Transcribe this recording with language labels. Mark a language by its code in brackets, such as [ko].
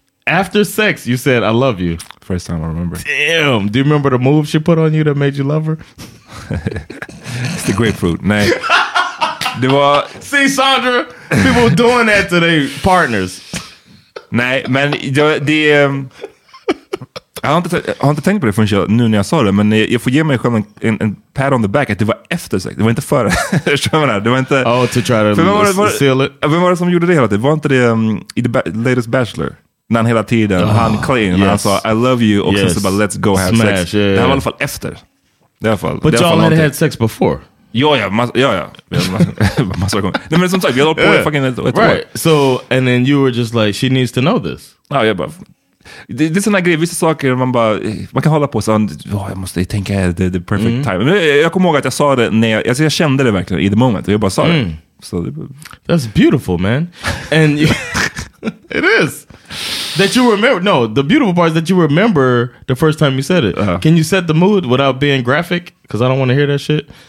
[en] After sex, you said I love you. First time I remember. Damn, do you remember the move she put on you that made you love her? It's the grapefruit. [sv] Nej. Det var... [en] See, Sandra, people doing that to their partners. [sv] Nej, men jag har inte tänkt på det förrän nu när jag sa det. Men jag får ge mig själv en [en] pat on the back [sv] att det var efter sex. Det var inte före. Det var inte... [en] Oh, to try to seal it. [sv] Vem var det som gjorde det hela tiden? Var inte det i The Latest Bachelor? När han hela tiden, han [en] clean, yes. [sv] Han sa [en] I love you, [sv] och sen så bara [en] let's go have smash, sex. Yeah, yeah. [sv] Det var i alla fall efter. I alla fall, [en] but y'all had had sex before. [sv] Ja. Massa gånger. Nej, men som sagt, vi har hållit på i fucking ett år. [en] Right, so, and then you were just like, she needs to know this. [sv] Ja, jag bara, det är sådana grejer, vissa saker man bara, man kan hålla på så, jag måste tänka [en] the perfect time. [sv] Men jag kommer ihåg att jag sa det när jag, alltså jag kände det verkligen i [en] the moment, [sv] och jag bara sa det. [en] So, that's beautiful, man. And you, it is. That you remember, no, the beautiful part is that you remember the first time you said it. Uh-huh. Can you set the mood without being graphic? Because I don't want to hear that shit.